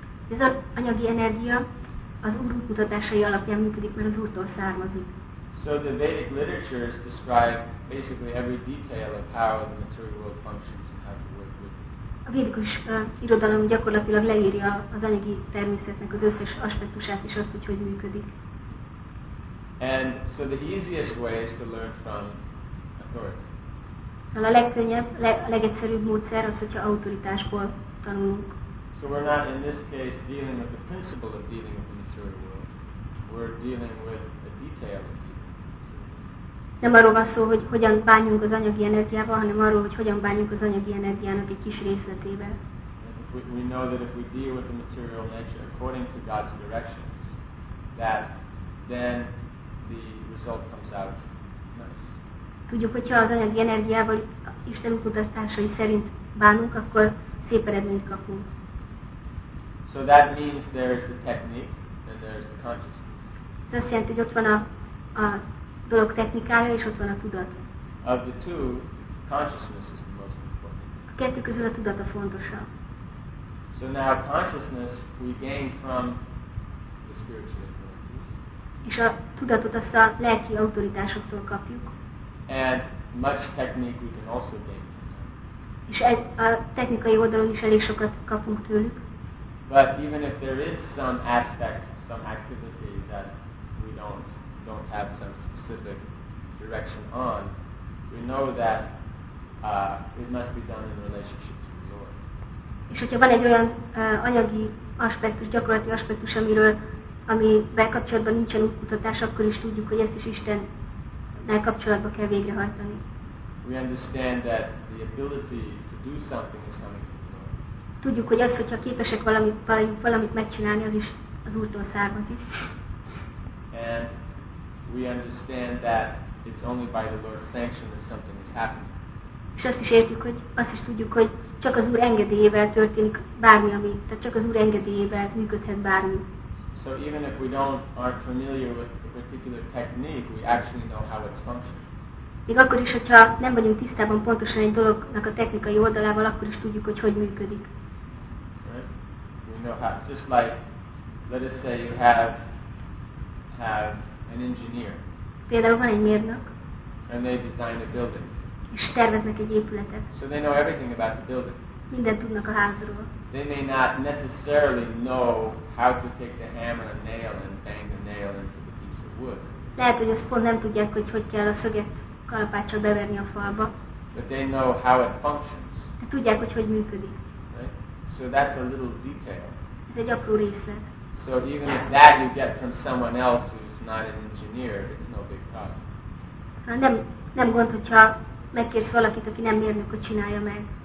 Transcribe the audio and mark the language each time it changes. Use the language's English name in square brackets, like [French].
[Hungarian] Ez az anyagi energia az Úr mutatásai alapján működik, mert az Úrtól származik. [English] So the Vedic literatures describe basically every detail of how the material world functions and how to work with it. [Hungarian] A védikus irodalom gyakorlatilag leírja az anyagi természetnek az összes aspektusát és azt, hogy hogy működik. [English] And so the easiest way is to learn from authority. [Hungarian] A legkönnyebb, legegyszerűbb módszer az, hogyha autoritásból tanulunk. [English] So we're not in this case dealing with the principle of dealing with the material world. We're dealing with the detail. [Hungarian] Nem arról van szó, hogy hogyan bánjunk az anyagi energiával, hanem arról, hogy hogyan bánjunk az anyagi energiának egy kis részletével. [English] We know that if we deal with the material nature according to God's directions, that then the result comes out nice. [Hungarian] Tudjuk, hogyha az anyagi energiával Isten utasításai szerint bánunk, akkor szép eredményt kapunk. [English] So that means there is the technique and there is the consciousness. [Hungarian] Ez azt jelenti, hogy ott van a dolog technikája, és ott van a tudat. [English] Of the two, consciousness is the most important. [Hungarian] A kettő közül a tudat a fontosabb. [English] So now consciousness we gain from the spiritual authorities. [Hungarian] És a tudatot azt a lelki autoritásoktól kapjuk. [English] And much technique we can also gain from them. [Hungarian] És a technikai oldalon is elég sokat kapunk tőlük. [English] But even if there is some aspect, some activity that we don't have some specific direction on, we know that it must be done in relationship to the Lord. [Hungarian] És hogyha van egy olyan anyagi aspektus, gyakorlati aspektus, amivel kapcsolatban nincsen útmutatás, akkor is tudjuk, hogy ezt is Istennel kapcsolatba kell végrehajtani. [English] We understand that the ability to do something is coming from the Lord. [Hungarian] Tudjuk, hogy az, hogyha képesek valamit megcsinálni, az is az Úrtól származik. [English] And we understand that it's only by the Lord's sanction that something is happening. [Hungarian] És azt is értjük, hogy azt is tudjuk, hogy csak az Úr engedélyével történik bármi, ami, tehát csak az Úr engedélyével működhet bármi. [English] So even if we aren't familiar with a particular technique, we actually know how it's functioning. [Hungarian] Még akkor is, hogyha nem vagyunk tisztában pontosan egy dolognak a technikai oldalával, akkor is tudjuk, hogy működik. [English] Right? We know how, just like, let us say you have an engineer. [Hungarian] Például van egy mérnök. [English] And they design a building. [Hungarian] És terveznek egy épületet. [English] So they know everything about the building. [Hungarian] Mindent tudnak a házról. [English] They may not necessarily know how to take the hammer and nail and bang the nail into the piece of wood. [Hungarian] Lehet, hogy azt pont nem tudják, hogy hogy kell a szöget kalapáccsal beverni a falba. [English] But they know how it functions. [Hungarian] De tudják, hogy hogy működik. [English] Right? So that's a little detail. [Hungarian] Ez egy apró részlet. [English] So even if that you get from someone else who's not an engineer, it's no big problem. [Hungarian] Nem gond, hogyha megkérsz valakit, aki nem mérnök, hogy csinálja meg.